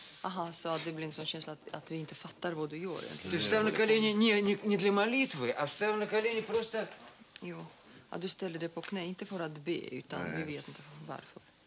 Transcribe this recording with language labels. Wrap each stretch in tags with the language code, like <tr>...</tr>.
<sv>Ага, så det blir en sån känsla att vi inte fattar vad du gör.</sv> <ru>Ты встал на колени не для молитвы, а встал на колени просто.</ru> <sv>Jo, att du ställer dig på knä inte för att be, utan du vet inte varför.</sv>